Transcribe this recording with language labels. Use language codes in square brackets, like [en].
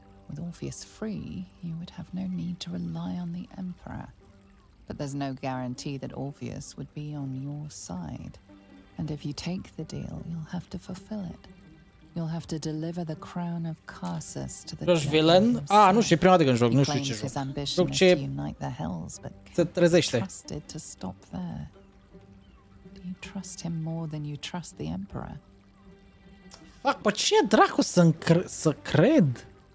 [en] With Orpheus free, you would have no need to rely on the Emperor. But there's no guarantee that Orpheus would be on your side. And if you take the deal, you'll have to fulfill it. You'll have to deliver the crown of Karsus to the villain. [ro] Ah, nu știu, prima dată când joc, nu știu ce joc. Se trezește. [en] To stop there. You trust him more than you trust the Emperor. [ro] Fuck, bă, cine dracu să cred?